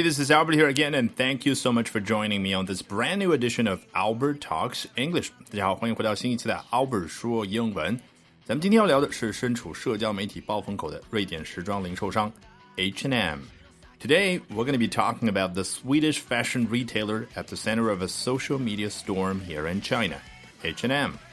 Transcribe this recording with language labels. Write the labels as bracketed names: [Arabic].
[English] This is Albert here again, and thank you so much for joining me on this brand new edition of Albert Talks English. [Chinese] 大家好，欢迎回到新一期的 Albert 说英文。咱们今天要聊的是身处社交媒体暴风口的瑞典时装零售商 H&M。 [English] Today, we're going to be talking about the Swedish fashion retailer at the center of a social media storm here in China, H&M.